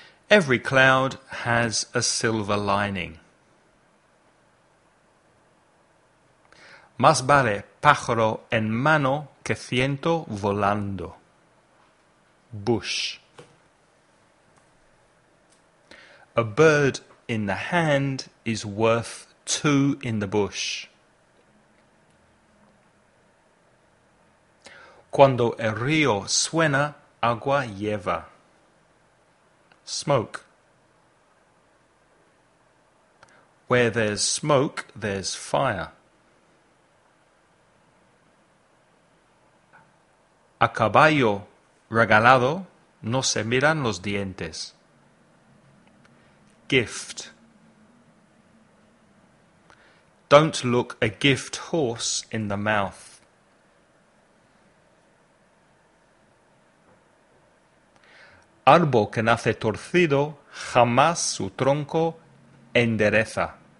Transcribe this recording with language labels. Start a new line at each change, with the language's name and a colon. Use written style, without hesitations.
English: Every cloud has a silver lining.
Spanish: Más vale pájaro en mano que ciento volando.
English: Bush. A bird in the hand is worth two in the bush.
Spanish: Cuando el río suena, agua lleva. Smoke.
English: Where there's smoke, there's fire.
Spanish: A caballo regalado no se miran los dientes.
English: Gift. Don't look a gift horse in the mouth.
Spanish: Árbol que nace torcido, jamás su tronco endereza.